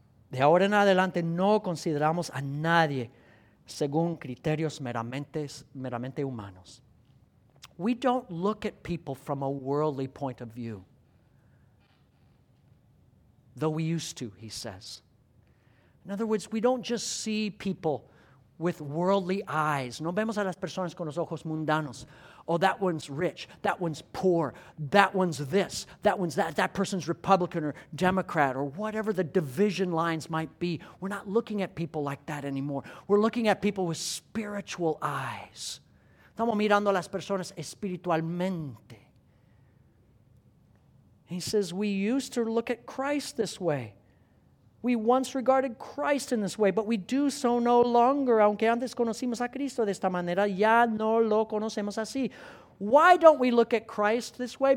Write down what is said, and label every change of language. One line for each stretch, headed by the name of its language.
Spanish: De ahora en adelante no consideramos a nadie según criterios meramente humanos.
English: We don't look at people from a worldly point of view. Though we used to, he says. In other words, we don't just see people with worldly eyes.
Spanish: No vemos a las personas con los ojos mundanos.
English: Oh, that one's rich. That one's poor. That one's this. That one's that. That person's Republican or Democrat or whatever the division lines might be. We're not looking at people like that anymore. We're looking at people with spiritual eyes.
Spanish: Estamos mirando a las personas espiritualmente.
English: He says, we used to look at Christ this way. We once regarded Christ in this way, but we do so no longer.
Spanish: Aunque antes conocimos a Cristo de esta manera, ya no lo conocemos así.
English: Why don't we look at Christ this way?